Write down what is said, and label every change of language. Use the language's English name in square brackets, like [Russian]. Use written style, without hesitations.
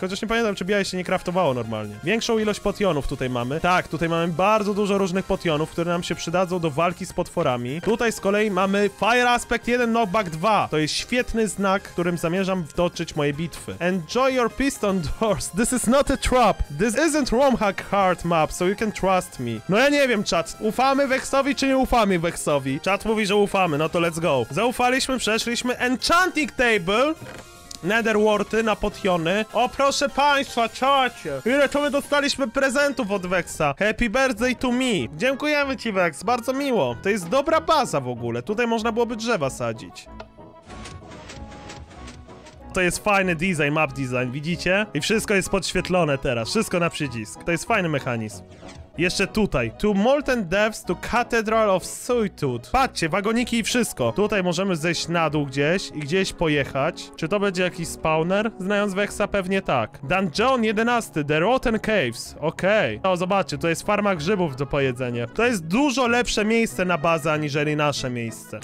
[Polish] Chociaż nie pamiętam, czy białe się nie kraftowało normalnie. Większą ilość potionów tutaj mamy. Tak, tutaj mamy bardzo dużo różnych potionów, które nam się przydadzą do walki z potworami. Tutaj z kolei mamy Fire Aspect 1, Knockback 2. To jest świetny znak, którym zamierzam wtoczyć moje bitwy. [English] Enjoy your piston doors. This is not a trap. This isn't Romhack hard map, so you can trust me. [Polish] No ja nie wiem, czat. Ufamy Vexowi czy nie ufamy Vexowi? Czat mówi, że ufamy, no to [English] let's go. [Polish] Zaufaliśmy, przeszliśmy. Enchanting table. Nether warty na potiony. O, proszę państwa, czacie. Ile to my dostaliśmy prezentów od Vexa. [English] Happy birthday to me. [Polish] Dziękujemy ci, Vex, bardzo miło. To jest dobra baza w ogóle. Tutaj można byłoby drzewa sadzić. To jest fajny design, map design, widzicie? I wszystko jest podświetlone teraz, wszystko na przycisk. To jest fajny mechanizm. Jeszcze tutaj. To Molten Depths, to Cathedral of Solitude. Patrzcie, wagoniki i wszystko. Tutaj możemy zejść na dół gdzieś i gdzieś pojechać. Czy to będzie jakiś spawner? Znając Vexa pewnie tak. Dungeon 11, The Rotten Caves. Okej. Okay. O, zobaczcie, to jest farma grzybów do pojedzenia. To jest dużo lepsze miejsce na bazę, aniżeli nasze miejsce.